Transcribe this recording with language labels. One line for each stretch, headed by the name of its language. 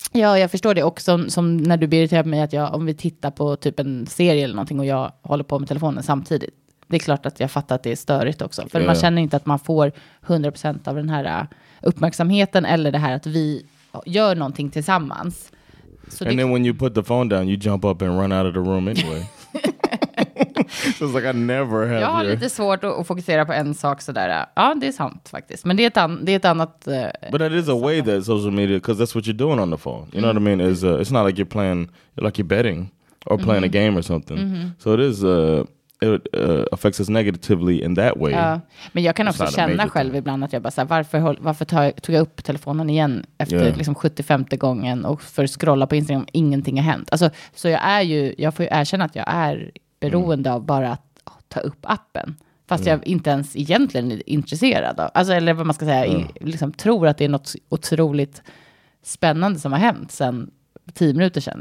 Swedish: Ja, jag förstår det. Och som när du blir irriterad på mig att jag, om vi tittar på typ en serie eller någonting och jag håller på med telefonen samtidigt. Det är klart att jag fattar att det är störigt också. För man känner inte att man får 100% av den här uppmärksamheten eller det här att vi gör någonting tillsammans.
English: Så and then when you put the phone down, you jump up and run out of the room anyway. So it's like I never have.
Swedish: Jag har lite svårt att fokusera på en sak sådär. Ja, det är sant faktiskt. Men det är ett annat.
English: But that is a way that social media, because that's what you're doing on the phone. You know what I mean? It's not like you're playing, like you're betting or playing a game or something. So it is. It affects us negatively in that way.
Swedish: Ja. Men jag kan också känna själv ibland att jag bara säger varför tog jag upp telefonen igen efter liksom 75:e gången och för att scrolla på Instagram, ingenting har hänt. Alltså, så jag får ju erkänna att jag är beroende av bara att ta upp appen. Fast jag inte ens egentligen är intresserad av. Alltså, eller vad man ska säga, liksom tror att det är något otroligt spännande som har hänt sen 10 minuter sedan.